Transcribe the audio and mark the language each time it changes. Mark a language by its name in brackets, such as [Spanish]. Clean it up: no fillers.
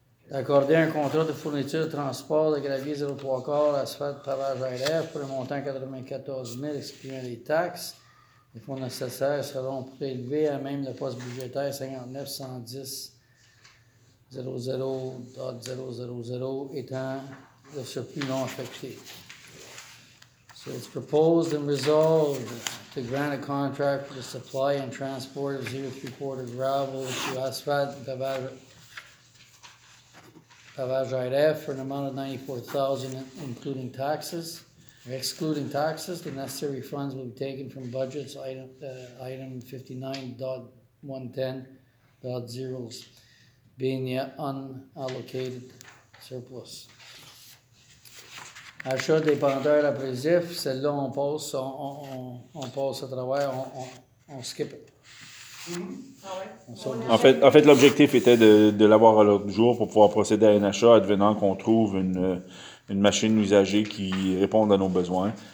[French] D'accorder un contrat de fourniture de transport de gravier 03 corps, asphalte, pavage ARF pour un montant de 94 000, excluant les taxes. Les fonds nécessaires seront prélevés à même le poste budgétaire 59 110 000 étant le surplus non affecté. [English] So it's proposed and resolved to grant a contract for the supply and transport of 0.75 gravel to Asphalt Pavage IRF for an amount of $94,000, including taxes. Excluding taxes, the necessary funds will be taken from budgets item 59.110.0s, being the unallocated surplus. [French] Achat des penteurs abrasifs, celle-là, on passe à travers, on skip. Mm-hmm. Ah ouais. En fait, l'objectif était de l'avoir à l'autre jour pour pouvoir procéder à un achat, advenant qu'on trouve une machine usagée qui réponde à nos besoins.